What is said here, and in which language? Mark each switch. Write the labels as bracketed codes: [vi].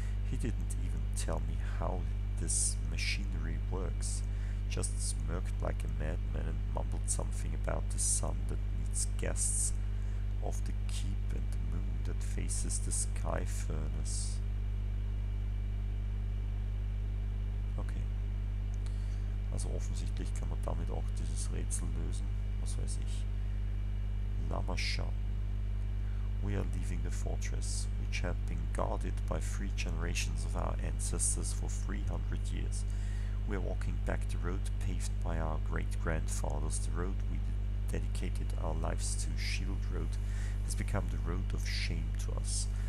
[en] He didn't even tell me how this machinery works, just smirked like a madman and mumbled something about the sun that meets guests of the keep and the moon that faces the sky furnace. Okay. [de] Also offensichtlich kann man damit auch dieses Rätsel lösen, was weiß ich. [en] We are leaving the fortress, which had been guarded by three generations of our ancestors for 300 years. We are walking back the road paved by our great-grandfathers. The road we dedicated our lives to, Shield Road, has become the road of shame to us.